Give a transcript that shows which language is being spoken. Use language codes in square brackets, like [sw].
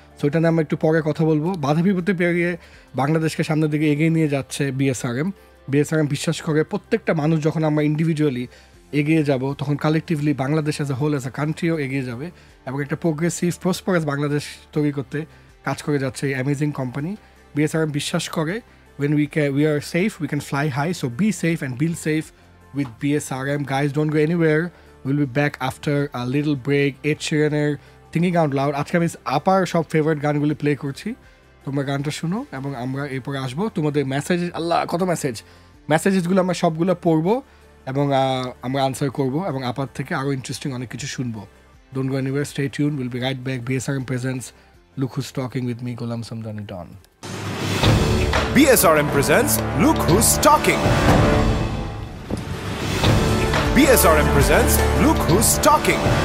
[bn] So এটা নিয়ে আমি একটু পরে কথা বলবো। বাধা বিপত্তি পেরিয়ে বাংলাদেশকে সামনের দিকে এগিয়ে নিয়ে যাচ্ছে বিএসআরএম। বিএসআরএম বিশ্বাস করে প্রত্যেকটা মানুষ যখন আমরা ইন্ডিভিজুয়ালি এগিয়ে যাব, তখন collectively Bangladesh [en] as a whole, as a কান্ট্রিও [bn] এগিয়ে যাবে, এবং একটা প্রোগ্রেসিভ প্রসপারাস বাংলাদেশ তৈরি করতে কাজ করে যাচ্ছে এই অ্যামেজিং কোম্পানি। [en] BSRM [bn] বিশ্বাস করে [en] when we are safe we can fly high, so be safe and build safe with BSRM. guys, don't go anywhere, we'll be back after a little break. Ed Sheeraner, Thinking Out Loud. [bn] আজকে আমি আপার সব favourite গানগুলি play করছি, তোমরা গানটা শুনো এবং আমরা এরপরে আসবো। তোমাদের মেসেজ, আল্লাহ কত মেসেজ, মেসেজেসগুলো আমরা সবগুলো পড়বো এবং আমরা আনসার করবো, এবং আপার থেকে আরও ইন্টারেস্টিং অনেক কিছু শুনবো। [en] Don't go anywhere, stay tuned, we'll be right back. BSRM presents Look Who's Talking with me, Golam Samdani Don. BSRM presents Look Who's Talking. BSRM presents Look Who's Talking.